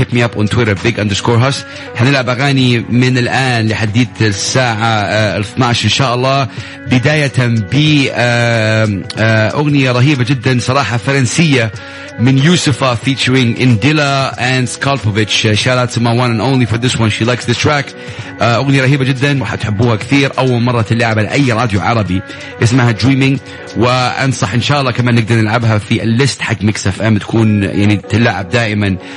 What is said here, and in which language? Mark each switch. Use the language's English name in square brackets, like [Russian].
[English] Hit me up on Twitter @big_Hass. [Arabic] حنلعب أغاني من الآن لحديت الساعة 12 إن شاء الله, بداية بأغنية رهيبة جدا صراحة فرنسية من يوسفا featuring Indila and Skalpovich. [English] Shout out to my one and only for this one, she likes this track. [Arabic] أغنية رهيبة جدا وحتحبوها كثير, أول مرة تلعب على أي راديو عربي, اسمها Dreaming, وأنصح إن شاء الله كمان نقدر نلعبها في الليست حق Mix FM, تكون يعني تلعب دائما.